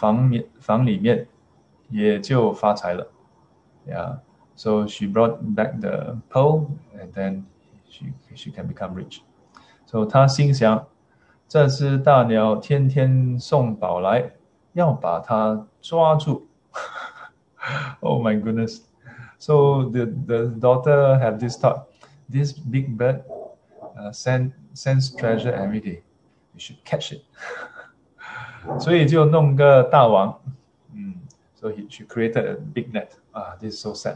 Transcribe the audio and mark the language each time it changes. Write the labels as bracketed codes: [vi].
[zh] 她把这个宝又拿回到房里面, 也就发财了. [en] So she brought back the pearl and then she can become rich. [zh] So 她心想,这只大鸟天天送宝来,要把它抓住. [en] Oh my goodness. So the daughter have this thought, this big bird sends treasure every day. We should catch it. [zh] 所以就弄个大网. [en] So she created a big net. This is so sad.